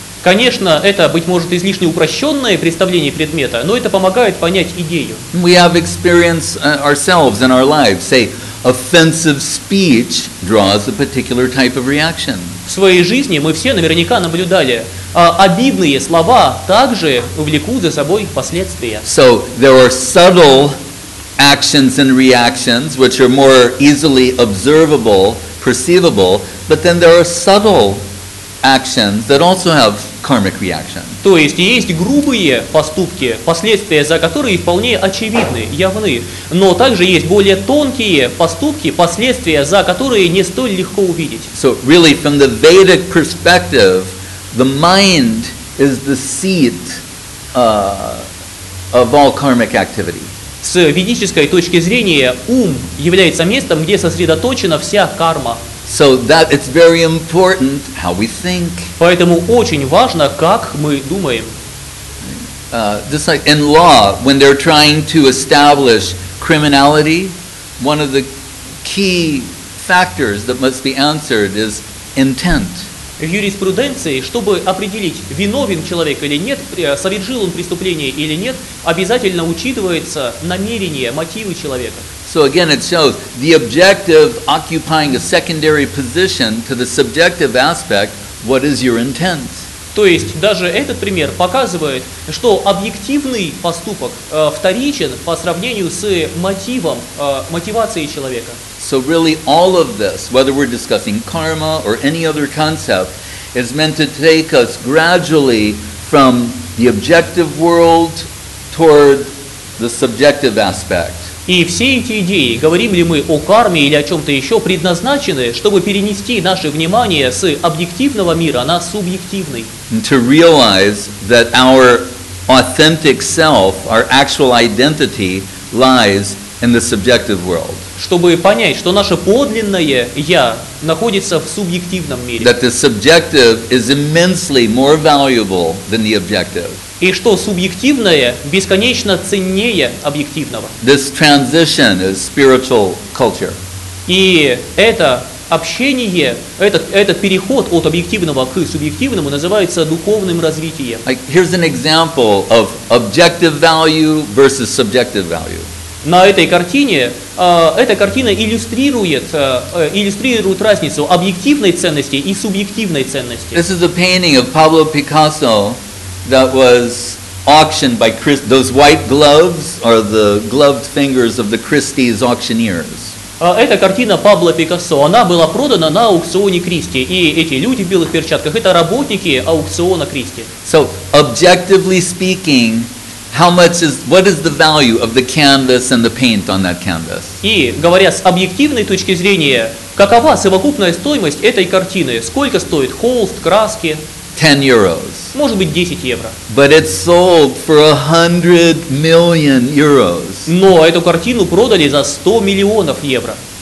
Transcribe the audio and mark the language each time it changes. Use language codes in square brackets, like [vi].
[ru] Конечно, это, быть может, излишне упрощенное представление предмета, но это помогает понять идею. [en] We have experience ourselves in our lives, say, offensive speech draws a particular type of reaction. [ru] В своей жизни мы все наверняка наблюдали, обидные слова также увлекут за собой последствия. [en] So there are subtle actions and reactions which are more easily observable, perceivable, but then there are subtle actions that also have karmic reaction. [ru] То есть есть грубые поступки, последствия за которые вполне очевидны, явны, но также есть более тонкие поступки, последствия за которые не столь легко увидеть. [en] So really, from the Vedic perspective, the mind is the seat of all karmic activity. [ru] С ведической точки зрения ум является местом, где сосредоточена вся карма. [en] So that it's very important how we think. [ru] Поэтому очень важно, как мы думаем. [en] Just like in law, when they're trying to establish criminality, one of the key factors that must be answered is intent. [ru] В юриспруденции, чтобы определить, виновен человек или нет, совершил он преступление или нет, обязательно учитывается намерение, мотивы человека. [en] So again, it shows the objective occupying a secondary position to the subjective aspect. What is your intent? [ru] То есть даже этот пример показывает, что объективный поступок вторичен по сравнению с мотивом, мотивацией человека. [en] So really, all of this, whether we're discussing karma or any other concept, is meant to take us gradually from the objective world toward the subjective aspect. [ru] И все эти идеи, говорим ли мы о карме или о чем-то еще, предназначены, чтобы перенести наше внимание с объективного мира на субъективный. [en] And to realize that our authentic self, our actual identity, lies in the subjective world. [ru] Чтобы понять, что наше подлинное «я» находится в субъективном мире. [en] That the subjective is immensely more valuable than the objective. [ru] И что субъективное бесконечно ценнее объективного. [en] This transition is spiritual culture. [ru] И это общение, этот переход от объективного к субъективному называется духовным развитием. [en] Like, here's an example of objective value versus subjective value. [ru] На этой картине, эта картина иллюстрирует разницу объективной ценности и субъективной ценности. [en] This is a painting of Pablo Picasso that was auctioned by Christie's. Those white gloves are the gloved fingers of the Christie's auctioneers. [ru] Эта картина Пабло Пикассо, она была продана на аукционе Кристи, и эти люди в белых перчатках — это работники аукциона Кристи. [en] So, objectively speaking, what is the value of the canvas and the paint on that canvas? [ru] И говоря с объективной точки зрения, какова совокупная стоимость этой картины? Сколько стоит холст, краски? [en] 10 euros. [ru] Может быть 10 евро. [en] But it sold for 100 million euros. [ru] Но эту картину продали за 100 миллионов евро.